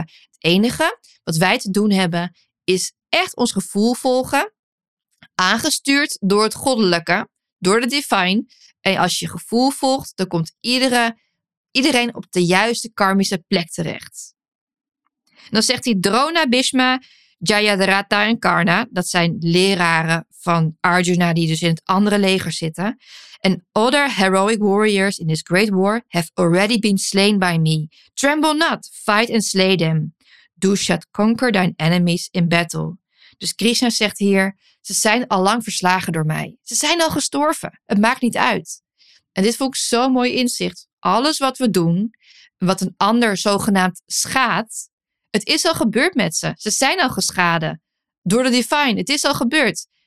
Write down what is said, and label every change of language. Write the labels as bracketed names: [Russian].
[Dutch] Het enige wat wij te doen hebben is echt ons gevoel volgen, aangestuurd door het goddelijke, door de divine. En als je gevoel volgt, dan komt iedereen op de juiste karmische plek terecht. En dan zegt hij Drona, Bhishma, Jayadrata en Karna. Dat zijn leraren van Arjuna die dus in het andere leger zitten. [English] And other heroic warriors in this great war have already been slain by me. Tremble not, fight and slay them. Do shut conquer thine enemies in battle. [Dutch] Dus Krishna zegt hier, ze zijn al lang verslagen door mij. Ze zijn al gestorven. Het maakt niet uit. En dit vond ik zo'n mooi inzicht. Alles wat we doen, wat een ander zogenaamd schaadt, het is al gebeurd met ze. Ze zijn al geschaden door de divine. Het is al gebeurd.